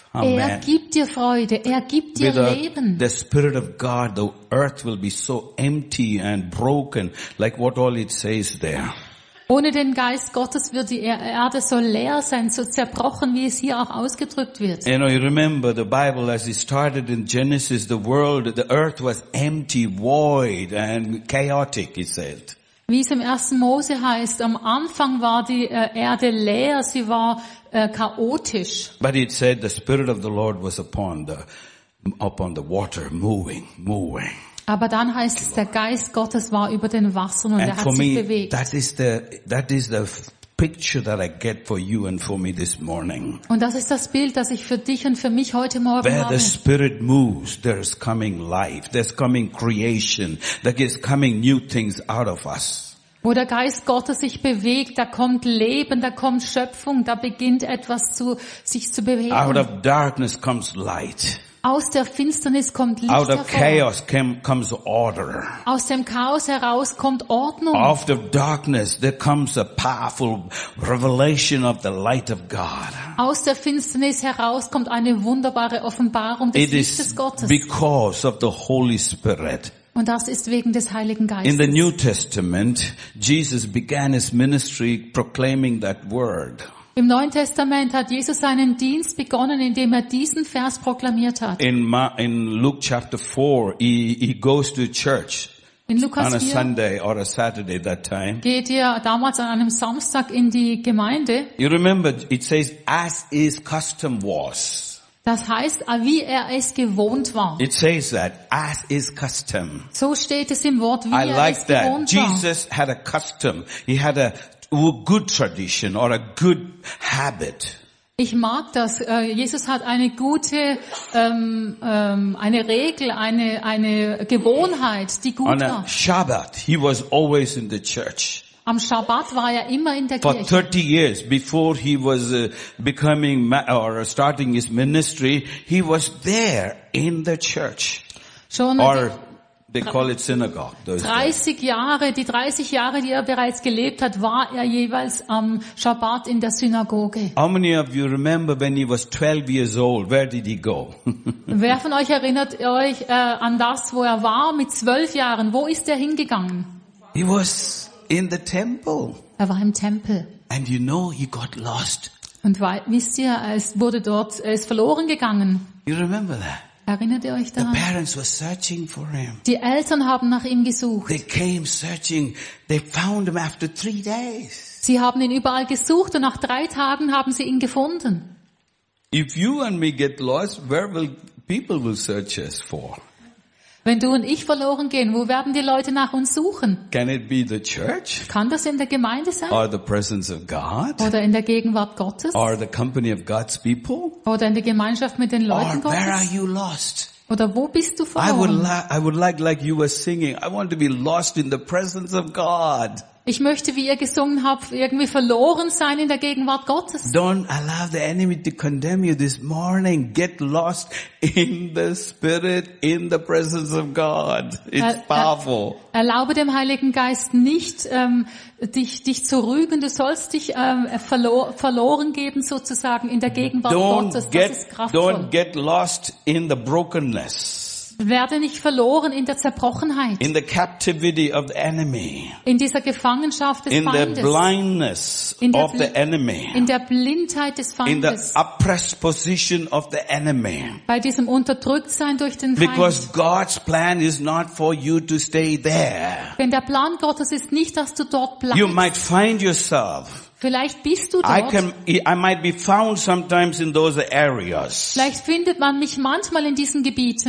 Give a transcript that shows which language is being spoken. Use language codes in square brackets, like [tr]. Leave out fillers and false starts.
[de] Amen. Er gibt dir Freude. Er gibt dir Leben. [en] The Spirit of God, the earth will be so empty and broken, like what all it says there. [de] Ohne den Geist Gottes wird die Erde so leer sein, so zerbrochen, wie es hier auch ausgedrückt wird. [en] You know, you remember the Bible as it started in Genesis, the world, the earth was empty, void and chaotic, it said. [de] Wie es im 1. Mose heißt, am Anfang war die Erde leer, sie war chaotisch. [en] But it said the Spirit of the Lord was upon the water, moving. [de] Aber dann heißt es, der Geist Gottes war über den Wassern und er hat sich [en] me, [de] bewegt. [en] That is the picture that I get for you and for me this morning. [de] Und das ist das Bild, das ich für dich und für mich heute Morgen [en] Where Where the Spirit moves, there's coming life, there's coming creation, there is coming new things out of us. [de] Wo der Geist Gottes sich bewegt, da kommt Leben, da kommt Schöpfung, da beginnt etwas sich zu bewegen. [en] Out of darkness comes light. [de] Aus der Finsternis kommt Licht [en] Out of [de] hervor. [en] Chaos comes order. [de] Aus dem Chaos heraus kommt Ordnung. [en] Out of the darkness there comes a powerful revelation of the light of God. [de] Aus der Finsternis heraus kommt eine wunderbare Offenbarung des [en] It [de] Lichtes Gottes. [en] It is because of the Holy Spirit. [de] Und das ist wegen des Heiligen Geistes. [en] In the New Testament, Jesus began his ministry proclaiming that word. [de] Im Neuen Testament hat Jesus seinen Dienst begonnen, indem er diesen Vers proklamiert hat. [en] In Luke chapter 4, he goes to church [de] in Lukas 4 [en] on a Sunday or a Saturday that time. [de] Geht er damals an einem Samstag in die Gemeinde. [en] You remember, it says, as his custom was. [de] Das heißt, wie er es gewohnt war. [en] It says that, as is custom. [de] So steht es im Wort, wie [en] I [de] er [en] like [de] es [en] that. [de] Gewohnt [en] Jesus [de] war. [en] Jesus had a custom. He had a good tradition or a good habit. [de] Ich mag das. Jesus hat eine gute eine Regel, eine Gewohnheit, die gut [en] On [de] war. [en] On Shabbat, he was always in the church. [de] Am Shabbat war er immer in der [en] For [de] Kirche. [en] For 30 years before he was becoming or starting his ministry, he was there in the church. [de] Schon [en] or they call it synagogue. [de] 30 Jahre, die 30 Jahre, die er bereits gelebt hat, war er jeweils am Shabbat in der Synagoge. [en] How many of you remember when he was 12 years old? Where did he go? [de] Wer von euch erinnert euch an das, wo er war mit 12 Jahren? Wo ist er hingegangen? [en] He was in the temple. [de] Er war im Tempel. [en] And you know, he got lost. [de] Und wisst ihr, er ist verloren gegangen. [en] You remember that? [de] Erinnert ihr euch daran? [en] The parents were searching for him. [de] Die Eltern haben nach ihm gesucht. [en] They came searching. They found him after 3 days. [de] Sie haben ihn überall gesucht und nach 3 Tagen haben sie ihn gefunden. [en] If you and me get lost, where will people will search us for? [de] Wenn du und ich verloren gehen, wo werden die Leute nach uns suchen? [en] Can it be the church? [de] Kann das in der Gemeinde sein? [en] Or the presence of God? [de] Oder in der Gegenwart Gottes? [en] Or the company of God's people? [de] Oder in der Gemeinschaft mit den Leuten [en] Or [de] Gottes? [en] Where are you lost? [de] Oder wo bist du verloren? [en] I would like you were singing. I want to be lost in the presence of God. [de] Ich möchte, wie ihr gesungen habt, irgendwie verloren sein in der Gegenwart Gottes. [en] Don't allow the enemy to condemn you this morning. Get lost in the Spirit, in the presence of God. It's powerful. [de] Erlaube dem Heiligen Geist nicht, dich zu rügen. Du sollst dich verloren geben, sozusagen, in der Gegenwart Gottes. Das ist kraftvoll. [en] Don't get lost in the brokenness. [de] Werde nicht verloren in der Zerbrochenheit. [en] In the captivity of the enemy. [de] In dieser Gefangenschaft des [en] in [de] Feindes. [en] In the blindness of the enemy. [de] In der Blindheit des Feindes. [en] In the oppressed position of the enemy. [de] Bei diesem Unterdrücktsein durch den Feind. [en] Because God's plan is not for you to stay there. [de] Denn der Plan Gottes ist nicht, dass du dort bleibst. [en] You might find yourself. [de] Vielleicht bist du dort. [en] I might be found sometimes in those areas. [de] Vielleicht findet man mich manchmal in diesen Gebieten.